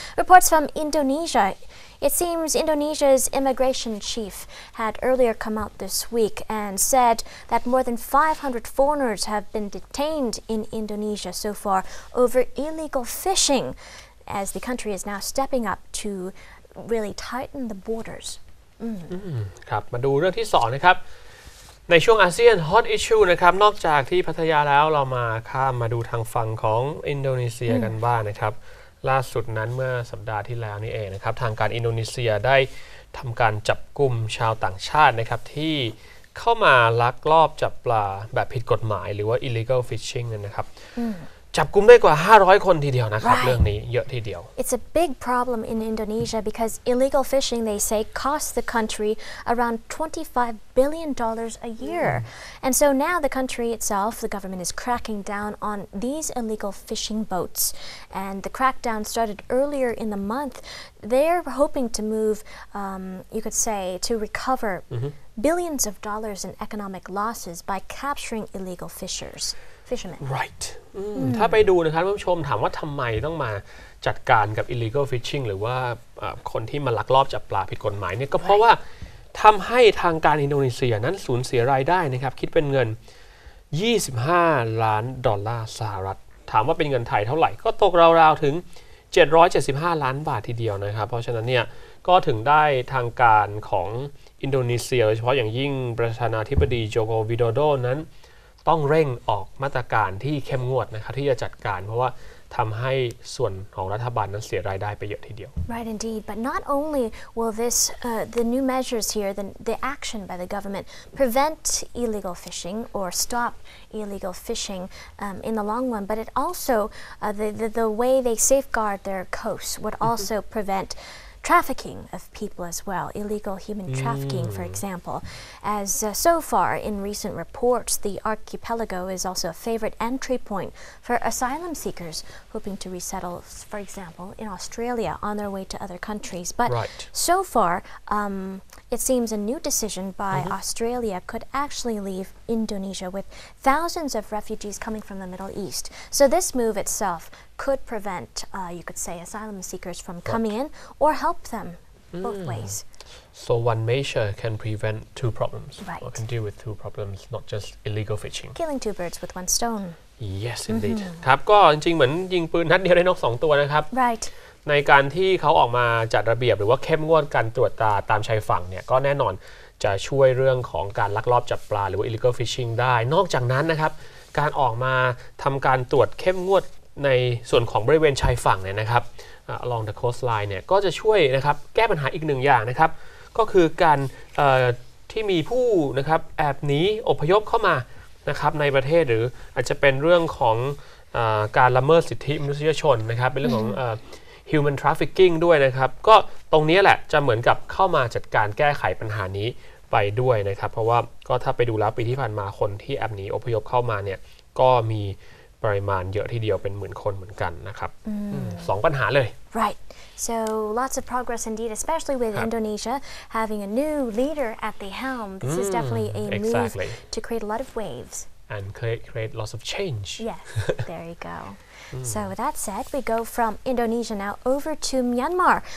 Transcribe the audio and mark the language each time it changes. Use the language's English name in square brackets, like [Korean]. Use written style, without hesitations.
[English] Reports from Indonesia. It seems Indonesia's immigration chief had earlier come out this week and said that more than 500 foreigners have been detained in Indonesia so far over illegal fishing, as the country is now stepping up to really tighten the borders. [Thai] ครับ มาดูเรื่องที่สองนะครับในช่วงอาเซียนฮอตอิชชูนะครับนอกจากที่พัทยาแล้วเรามาข้ามมาดูทางฝั่งของอินโดนีเซียกันบ้าง นะครับล่าสุดนั้นเมื่อสัปดาห์ที่แล้วนี่เองนะครับทางการอินโดนีเซียได้ทำการจับกุมชาวต่างชาตินะครับที่เข้ามาลักลอบจับปลาแบบผิดกฎหมายหรือว่า illegal fishing นะครับจับกุมได้กว่า500คนทีเดียวนะครับ [English] right. [Thai] เรื่องนี้เยอะทีเดียว [English] It's a big problem in Indonesia because illegal fishing they say costs the country around $25 billion a year and so now the country itself the government is cracking down on these illegal fishing boats and the crackdown started earlier in the month they're hoping to move you could say to recover billions of dollars in economic losses by capturing illegal fishers Right. [Thai] ถ้าไปดูนะครับผู้ชมถามว่าทำไมต้องมาจัดการกับ illegal fishing หรือว่าคนที่มาลักลอบจับปลาผิดกฎหมายเนี่ยก็เพราะว่าทำให้ทางการอินโดนีเซียนั้นสูญเสียรายได้นะครับคิดเป็นเงิน$25 ล้าน ถามว่าเป็นเงินไทยเท่าไหร่ก็ตกราวๆถึง775 ล้านบาททีเดียวนะครับเพราะฉะนั้นเนี่ยก็ถึงได้ทางการของอินโดนีเซียโดยเฉพาะอย่างยิ่งประธานาธิบดีโจโกวิโดโดนั้นต้องเร่งออกมาตรการที่เข้มงวดนะครับที่จะจัดการเพราะว่าทำให้ส่วนของรัฐบาลนั้นเสียรายได้ไปเยอะทีเดียว [English] Right indeed but not only will this the new measures here the action by the government prevent illegal fishing or stop illegal fishing in the long run but it also the way they safeguard their coasts would also prevent trafficking of people as well, illegal human trafficking, for example. As so far in recent reports, the archipelago is also a favorite entry point for asylum seekers hoping to resettle, for example, in Australia on their way to other countries. But so far, it seems a new decision by Australia could actually leave Indonesia with thousands of refugees coming from the Middle East. So this move itself could prevent, you could say, asylum seekers from coming in or help them both ways. So one measure can prevent two problems. Right. Or can deal with two problems, not just illegal fishing. Killing two birds with one stone. Yes, indeed. [Thai] ครับก็จริงๆเหมือนยิงปืนนัดเดียวได้นก2ตัวนะครับ [English] Right. [Thai] ในการที่เขาออกมาจัดระเบียบหรือว่าเข้มงวดการตรวจตาตามชายฝั่งเนี่ยก็แน่นอนจะช่วยเรื่องของการลักลอบจับปลาหรือว่า illegal fishing ได้นอกจากนั้นนะครับการออกมาทำการตรวจเข้มงวดในส่วนของบริเวณชายฝั่งเนี่ยนะครับ [English] along the coastline [Thai] เนี่ยก็จะช่วยนะครับแก้ปัญหาอีกหนึ่งอย่างนะครับก็คือการที่มีผู้นะครับแอบหนีอพยพเข้ามา นะครับในประเทศหรืออาจจะเป็นเรื่องของการละเมิดสิทธิมนุษยชนนะครับเป็นเรื่องของhuman trafficking ด้วยนะครับก็ตรงนี้แหละจะเหมือนกับเข้ามาจัดการแก้ไขปัญหานี้ไปด้วยนะครับเพราะว่าก็ถ้าไปดูแล้วปีที่ผ่านมาคนที่แอบหนีอพยพเข้ามาเนี่ยก็มีปริมาณเยอะทีเดียวเป็นหมื่นคนเหมือนกันนะครับสองปัญหาเลย [English] right so lots of progress indeed especially with Indonesia having a new leader at the helm this is definitely a move to create a lot of waves and create lots of change yes there you goSo with that said, we go from Indonesia now over to Myanmar.